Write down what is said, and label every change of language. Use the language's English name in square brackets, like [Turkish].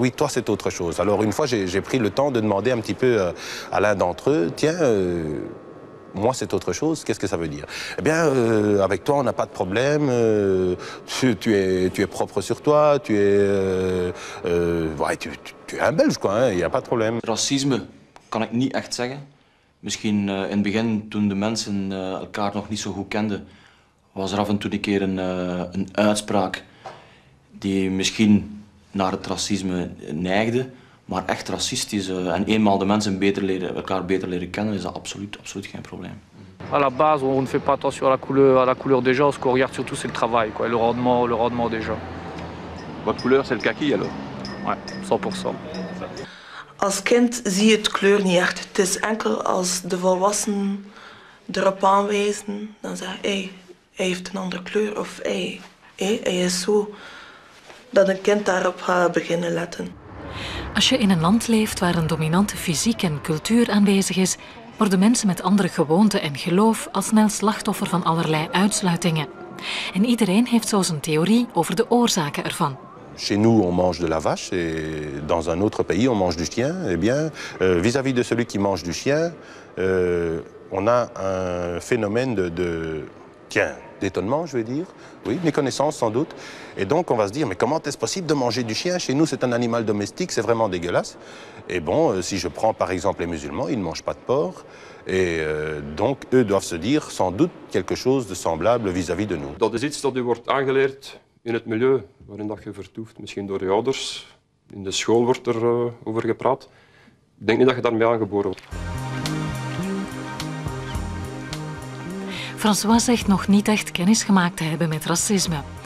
[French] Oui, toi, c'est autre chose. » Alors, une fois, j'ai pris le temps de demander un petit peu à l'un d'entre eux, « Tiens, moi, c'est autre chose. Qu'est-ce que ça veut dire ?»« Eh bien, avec toi, on n'a pas de problème. Tu es propre sur toi. Tu es... ouais, tu es un Belge, quoi. Il n'y a pas de problème. » [Dutch] Racisme, kan ik niet echt zeggen. Misschien in het begin, toen de mensen elkaar nog niet zo goed kenden, was er af en toe een keer een uitspraak die misschien naar het racisme neigde, maar echt racistisch. En eenmaal de mensen elkaar beter leren kennen, is dat absoluut, absoluut geen probleem. [French] À la base, on ne fait pas attention à la couleur des gens. Ce qu'on regarde surtout, c'est le travail, quoi, le rendement des gens. Votre couleur, c'est le kaki, alors? Ouais, 100%. [Dutch] Als kind zie je het kleur niet echt. Het is enkel als de volwassenen erop aanwijzen, dan zeggen hij heeft een andere kleur of hij is zo. dat een kind daarop gaat beginnen letten. Als je in een land leeft waar een dominante fysiek en cultuur aanwezig is, worden mensen met andere gewoonten en geloof al snel slachtoffer van allerlei uitsluitingen. En iedereen heeft zo zijn theorie over de oorzaken ervan. [French] Chez nous, on mange de la vache et dans un autre pays, on mange du chien. Eh bien, vis-à-vis de celui qui mange du chien, on a un phénomène d'étonnement, je veux dire. Oui, méconnaissance sans doute. Et donc, on va se dire, mais comment est-ce possible de manger du chien? Chez nous, c'est un animal domestique, c'est vraiment dégueulasse. Et bon, si je prends par exemple les musulmans, ils ne mangent pas de porc. Et donc, eux doivent se dire sans doute quelque chose de semblable vis-à-vis de nous. [Dutch] Dat is iets dat u wordt aangeleerd in het milieu waarin dat je vertoeft. Misschien door je ouders. In de school wordt er over gepraat. Ik denk niet dat je daarmee aangeboren wordt. François zegt nog niet echt kennis gemaakt te hebben met racisme.